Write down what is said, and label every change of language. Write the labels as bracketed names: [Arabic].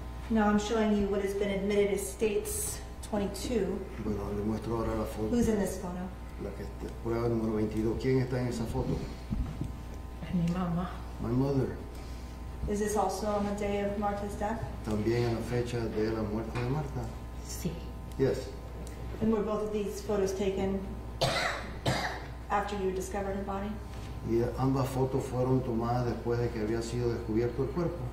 [English] Now I'm showing you what has been admitted as states 22. [Spanish] Bueno, le muestro ahora la foto. [English] Who's in this photo? [Spanish] La que está, prueba número 22. ¿Quién está en esa foto? Mi mamá. [English] My mother. Is this also on the day of Marta's death? [Spanish] También en la fecha de la muerte de Marta. Sí. [English] Yes. And were both of these photos taken after you discovered her body? [Spanish] Y ambas fotos fueron tomadas después de que había sido descubierto el cuerpo.